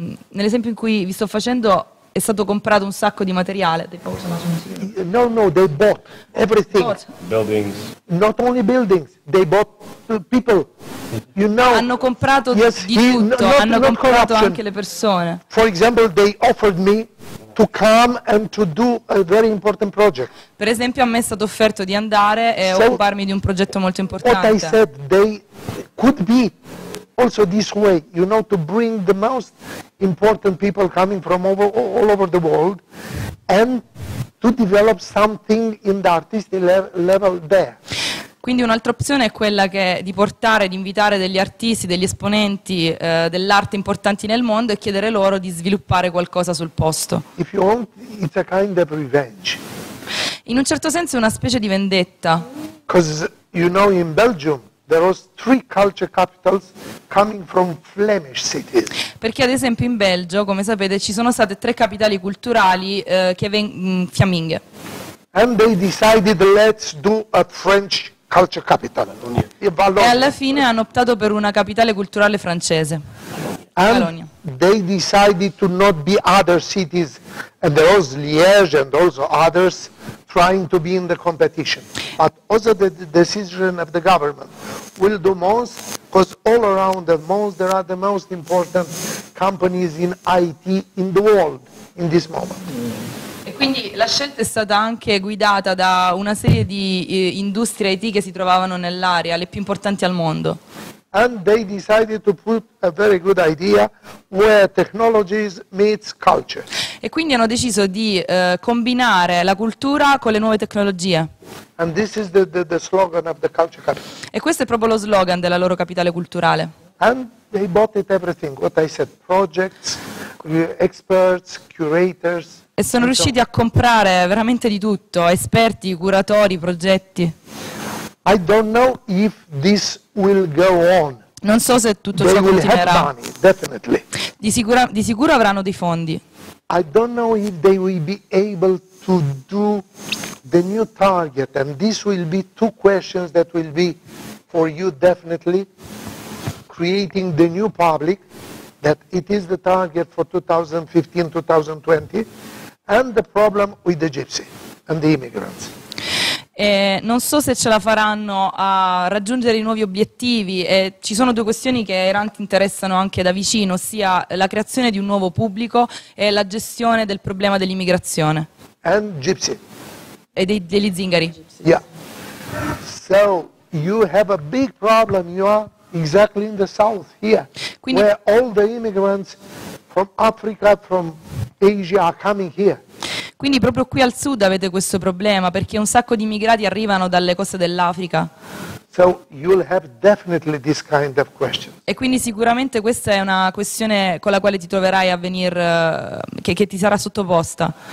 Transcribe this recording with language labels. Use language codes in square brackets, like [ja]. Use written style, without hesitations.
[it] Nell'esempio in cui vi sto facendo è stato comprato un sacco di materiale. [en] No, they bought everything. Buildings. Not only buildings, they bought people. You know, [it] hanno comprato comprato anche le persone. [en] For example, they offered me to come and to do a very important project. [it] Per esempio, a me è stato offerto di andare e occuparmi di un progetto molto importante. [en] What I said, they could be also this way, you know, to bring the most important people coming from all over the world and to develop something in the artistic level there. [it] Quindi un'altra opzione è quella di invitare degli artisti, degli esponenti dell'arte importanti nel mondo e chiedere loro di sviluppare qualcosa sul posto. [en] If you want, it's a kind of revenge. [it] In un certo senso è una specie di vendetta. [en] Because you know, in Belgium there was three culture capitals coming from Flemish cities. [it] Perché ad esempio in Belgio, come sapete, ci sono state tre capitali culturali fiamminghe. [en] And they decided let's do a French culture capital. [it] E alla fine hanno optato per una capitale culturale francese. [en] And they decided to not be other cities, and there was Liège and also others trying to be in the competition. But also the decision of the government will do Mons, because all around the Mons there are the most important companies in IT in the world in this moment. [it] E quindi la scelta è stata anche guidata da una serie di industrie IT che si trovavano nell'area, le più importanti al mondo. [en] And they decided to put a very good idea where technologies meets culture. [it] E quindi hanno deciso di combinare la cultura con le nuove tecnologie. [en] And this is the slogan of the culture capital. [it] E questo è proprio lo slogan della loro capitale culturale. [en] And they bought it everything, what I said, projects, experts, curators. [it] E sono riusciti a comprare veramente di tutto, esperti, curatori, progetti. [en] I don't know if this will go on. [it] Non so se tutto ciò continuerà. [en] Money, definitely. [it] Di sicuro avranno dei fondi. [en] I don't know if they will be able to do the new target, and this will be two questions that will be for you definitely creating the new public, that it is the target for 2015-2020, and the problem with the gypsy and the immigrants. [it] E non so se ce la faranno a raggiungere i nuovi obiettivi, e ci sono due questioni che Erant interessano anche da vicino, ossia la creazione di un nuovo pubblico e la gestione del problema dell'immigrazione. [en] And gypsy. [it] E degli zingari. [en] Yeah. So you have a big problem, you are exactly in the south here. [it] Quindi, [en] where all the immigrants from Africa, from Asia are coming here. [it] Quindi proprio qui al sud avete questo problema, perché un sacco di immigrati arrivano dalle coste dell'Africa. [en] So you'll have definitely this kind of question. [it] E quindi sicuramente questa è una questione con la quale ti troverai a venir che ti sarà sottoposta.